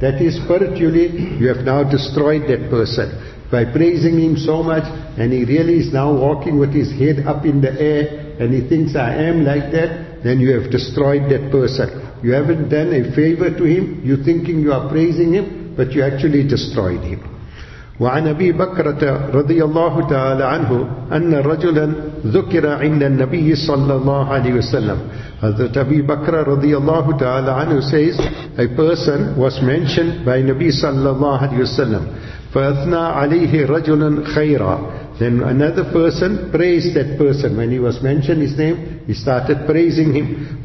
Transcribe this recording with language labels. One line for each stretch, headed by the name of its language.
English: That is, spiritually, you have now destroyed that person by praising him so much, and he really is now walking with his head up in the air and he thinks, I am like that. Then you have destroyed that person. You haven't done a favor to him. You thinking you are praising him, but you actually destroyed him.
Arabic: وعن أبي بكرة رضي الله تعالى عنه أن رجلا ذكر عند النبي صلى الله عليه وسلم.
English: Hazrat Abi Bakr radiyallahu ta'ala anhu says, a person was mentioned by Nabi sallallahu alayhi wa sallam.
Arabic: فَأَثْنَى عَلَيْهِ رَجُلًا خَيْرًا.
English: Then another person praised that person. When he was mentioned his name, he started praising him.